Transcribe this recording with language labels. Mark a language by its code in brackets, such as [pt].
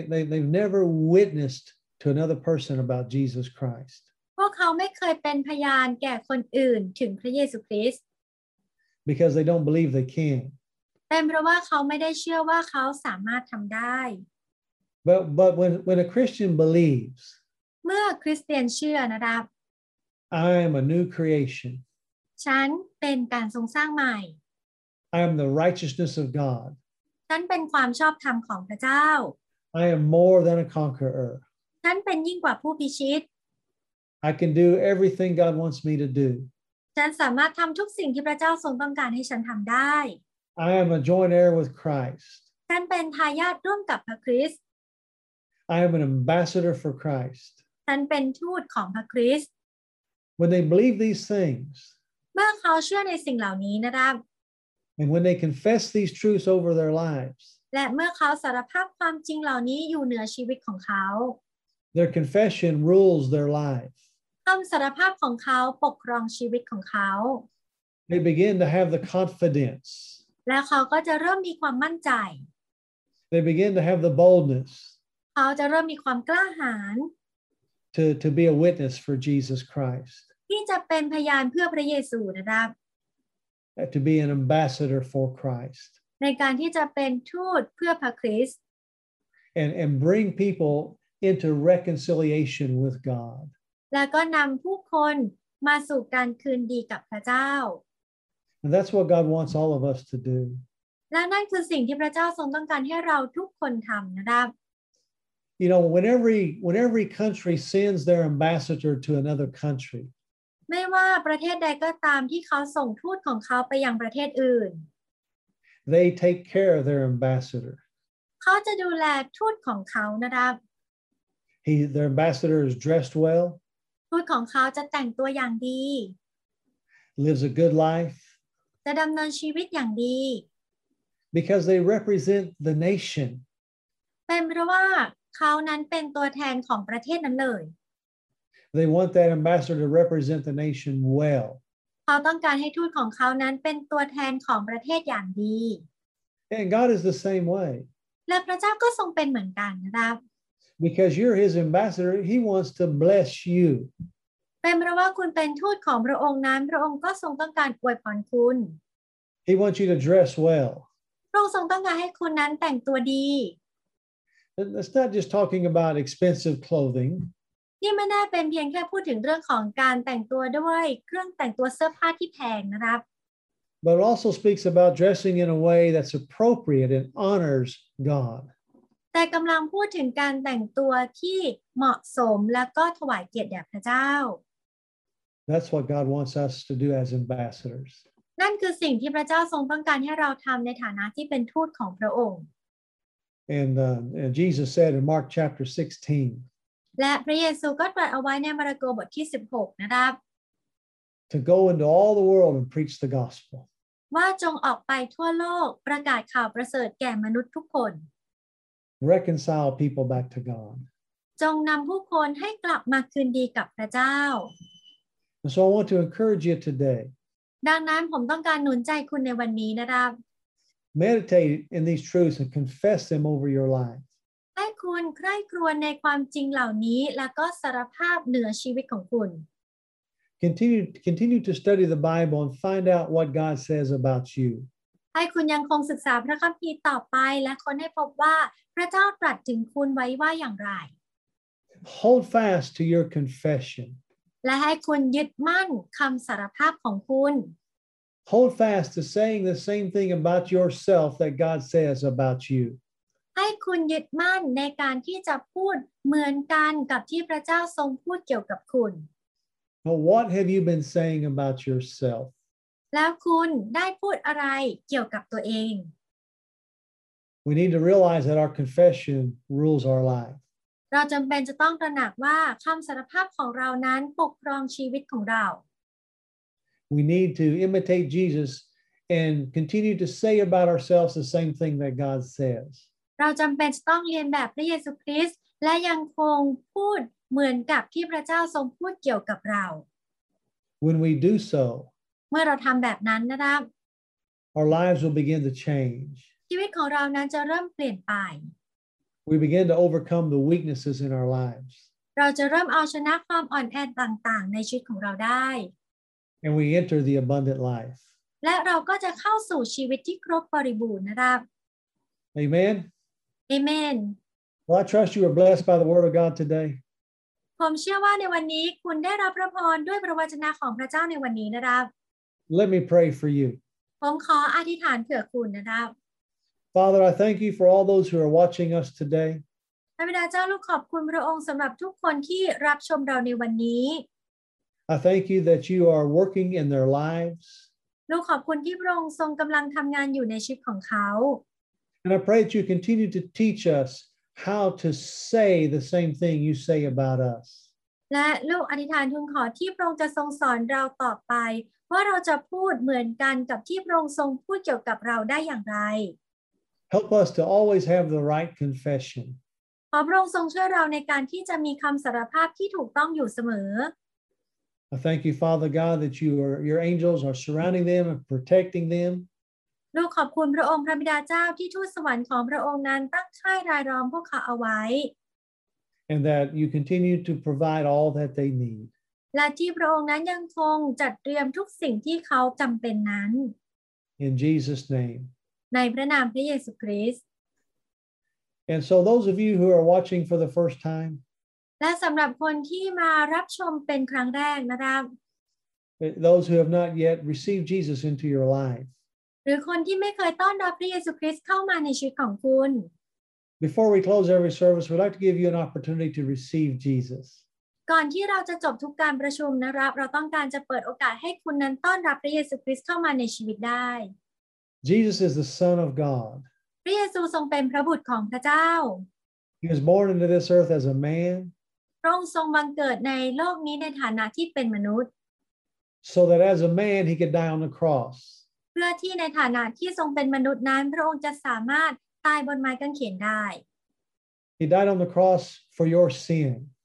[en] They've never witnessed to another person about Jesus Christ. [th] พวกเขาไม่เคยเป็นพยานแก่คนอื่นถึงพระเยซูคริสต์ [en] Because they don't believe they can [th] เป็นเพราะว่าเขาไม่ได้เชื่อว่าเขาสามารถทำได้ [en] But when a Christian believes [th] เมื่อคริสเตียนเชื่อนะครับ [en] I am a new creation [th] ฉันเป็นการทรงสร้างใหม่ [en] I am the righteousness of God [th] ฉันเป็นความชอบธรรมของพระเจ้า [en] I am more than a conqueror [th] ฉันเป็นยิ่งกว่าผู้พิชิต [en] I can do everything God wants me to do. [th] ฉันสามารถทำทุกสิ่งที่พระเจ้าทรงต้องการให้ฉันทำได้ [en] I am a joint heir with Christ. [th] ฉันเป็นทายาทร่วมกับพระคริสต์ [en] I am an ambassador for Christ. [th] ฉันเป็นทูตของพระคริสต์ [en] When they believe these things, [th] เมื่อเขาเชื่อในสิ่งเหล่านี้นะครับ [en] And when they confess these truths over their lives, [th] และเมื่อเขาสารภาพความจริงเหล่านี้อยู่เหนือชีวิตของเขา [en] Their confession rules their life. [th] คำสารภาพของเขาปกครองชีวิตของเขา [en] They begin to have the confidence. [th] และเขาก็จะเริ่มมีความมั่นใจ [en] They begin to have the boldness. [th] เขาจะเริ่มมีความกล้าหาญ [en] To be a witness for Jesus Christ. [th] ที่จะเป็นพยานเพื่อพระเยซูนะครับ [en] To be an ambassador for Christ. [th] ในการที่จะเป็นทูตเพื่อพระคริสต์ [en] And bring peopleinto reconciliation with God. [th] แล้วก็นำผู้คนมาสู่การคืนดีกับพระเจ้า [en] And that's what God wants all of us to do. [th] และนั่นคือสิ่งที่พระเจ้าทรงต้องการให้เราทุกคนทำนะครับ [en] You know, whenever every country sends their ambassador to another country, [th] ไม่ว่าประเทศใดก็ตามที่เขาส่งทูตของเขาไปยังประเทศอื่น [en] they take care of their ambassador. [th] เขาจะดูแลทูตของเขานะครับ [en] their ambassador is dressed well. [th] ทูตของเขาจะแต่งตัวอย่างดี [en] lives a good life. [th] จะดำเนินชีวิตอย่างดี [en] because they represent the nation. [th] เป็นเพราะว่าเขานั้นเป็นตัวแทนของประเทศนั้นเลย [en] They want that ambassador to represent the nation well. [th] เขาต้องการให้ทูตของเขานั้นเป็นตัวแทนของประเทศอย่างดี [en] And God is the same way. [th] และพระเจ้าก็ทรงเป็นเหมือนกันนะครับ [en] Because you're his ambassador, he wants to bless you. [th] เป็นเพราะว่าคุณเป็นทูตของพระองค์นั้นพระองค์ก็ทรงต้องการอวยพรคุณ [en] He wants you to dress well. [th] พระองค์ทรงต้องการให้คุณนั้นแต่งตัวดี [en] It's not just talking about expensive clothing. [th] นี่ไม่ได้เป็นเพียงแค่พูดถึงเรื่องของการแต่งตัวด้วยเครื่องแต่งตัวเสื้อผ้าที่แพงนะครับ [en] But also speaks about dressing in a way that's appropriate and honors God. [th] แต่กำลังพูดถึงการแต่งตัวที่เหมาะสมแล้วก็ถวายเกียรติแด่พระเจ้า [en] That's what God wants us to do as ambassadors. [th] นั่นคือสิ่งที่พระเจ้าทรงต้องการให้เราทำในฐานะที่เป็นทูตของพระองค์ [en] And Jesus said in Mark chapter 16. [th] และพระเยซูก็ตรัสเอาไว้ในมาระโกบทที่16นะครับ [en] To go into all the world and preach the gospel. [th] ว่าจงออกไปทั่วโลกประกาศข่าวประเสริฐแก่มนุษย์ทุกคน [en] Reconcile people back to God. [th] จงนำผู้คนให้กลับมาคืนดีกับพระเจ้า [en] And so I want to encourage you today. [th] ดังนั้นผมต้องการหนุนใจคุณในวันนี้นะครับ [en] Meditate in these truths and confess them over your life. [th] ให้คุณใคร่ครวญในความจริงเหล่านี้แล้วก็สารภาพเหนือชีวิตของคุณ [en] Continue to study the Bible and find out what God says about you. [th] ให้คุณยังคงศึกษาพระคัมภีร์ต่อไปและค้นให้พบว่าพระเจ้าตรัสถึงคุณไว้ว่าอย่างไร [en] Hold fast to your confession. [th] และให้คุณยึดมั่นคำสารภาพของคุณ [en] Hold fast to saying the same thing about yourself that God says about you. [th] ให้คุณยึดมั่นในการที่จะพูดเหมือนกันกับที่พระเจ้าทรงพูดเกี่ยวกับคุณ [en] But what have you been saying about yourself? [th] แล้วคุณได้พูดอะไรเกี่ยวกับตัวเอง [en] We need to realize that our confession rules our life. [th] เราจำเป็นจะต้องตระหนักว่าคำสารภาพของเรานั้นปกครองชีวิตของเรา [en] We need to imitate Jesus and continue to say about ourselves the same thing that God says. [th] เราจำเป็นต้องเรียนแบบพระเยซูคริสต์และยังคงพูดเหมือนกับที่พระเจ้าทรงพูดเกี่ยวกับเรา [en] When we do so, [th] เมื่อเราทำแบบนั้นนะครับ [en] our lives will begin to change. [th] ชีวิตของเรานั้นจะเริ่มเปลี่ยนไป [en] We begin to overcome the weaknesses in our lives. [th] เราจะเริ่มเอาชนะความอ่อนแอต่างๆในชีวิตของเราได้ [en] And we enter the abundant life. [th] และเราก็จะเข้าสู่ชีวิตที่ครบบริบูรณ์นะครับ [en] Amen. Amen. Well, I trust you are blessed by the Word of God today. [th] ผมเชื่อว่าในวันนี้คุณได้รับพระพรด้วยพระวจนะของพระเจ้าในวันนี้นะครับ [en] Let me pray for you. [th] ผมขออธิษฐานเผื่อคุณนะครับ [en] Father, I thank you for all those who are watching us today. [th] พระบิดาเจ้าลูกขอบคุณพระองค์สำหรับทุกคนที่รับชมเราในวันนี้ [en] I thank you that you are working in their lives. [th] ลูกขอบคุณที่พระองค์ทรงกำลังทำงานอยู่ในชีวิตของเขา [en] And I pray that you continue to teach us how to say the same thing you say about us. [th] และลูกอธิษฐานทูลขอที่พระองค์จะทรงสอนเราต่อไปว่าเราจะพูดเหมือนกันกับที่พระองค์ทรงพูดเกี่ยวกับเราได้อย่างไร [en] Help us to always have the right confession. [th] ขอพระองค์ทรงช่วยเราในการที่จะมีคำสารภาพที่ถูกต้องอยู่เสมอ [en] I thank you, Father God, that your angels are surrounding them and protecting them. [th] ลูกขอบคุณพระองค์พระบิดาเจ้าที่ทูตสวรรค์ของพระองค์นั้นตั้งค่ายรายล้อมพวกเขาเอาไว้ [en] And that you continue to provide all that they need. [th] และที่พระองค์นั้นยังคงจัดเตรียมทุกสิ่งที่เขาจำเป็นนั้น [en] In Jesus' name. [th] ในพระนามพระเยซูคริสต์ [en] And so those of you who are watching for the first time, [th] และสำหรับคนที่มารับชมเป็นครั้งแรกนะครับ [en] Those who have not yet received Jesus into your life [th] หรือคนที่ไม่เคยต้อนรับพระเยซูคริสต์เข้ามาในชีวิตของคุณ [en] Before we close every service, we'd like to give you an opportunity to receive Jesus. [th] ก่อนที่เราจะจบทุกการประชุมนะครับเราต้องการจะเปิดโอกาสให้คุณนั้นต้อนรับพระเยซูคริสต์เข้ามาในชีวิตได้ [en] Jesus is the Son of God. [th] พระเยซูทรงเป็นพระบุตรของพระเจ้า [en] He was born into this earth as a man. [th] พระองค์ทรงบังเกิดในโลกนี้ในฐานะที่เป็นมนุษย์ [en] So that as a man he could die on the cross. [th] เพื่อที่ในฐานะที่ทรงเป็นมนุษย์นั้นพระองค์จะสามารถตายบนไม้กางเขนได้ [en] He died on the cross for your sin.